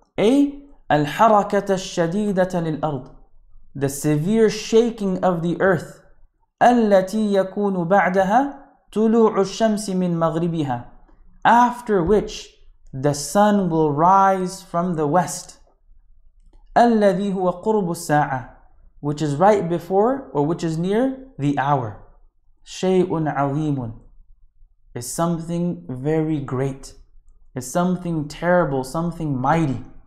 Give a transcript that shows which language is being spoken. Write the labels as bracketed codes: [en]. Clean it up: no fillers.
[ar] أي الحركة الشديدة للأرض. [en] The severe shaking of the earth. [ar] التي يكون بعدها طلوع الشمس من مغربها. [en] After which the sun will rise from the west. [ar] الذي هو قرب الساعة. [en] Which is right before or which is near the hour. [ar] شيء عظيم. [en] Is something very great. Is something terrible, something mighty.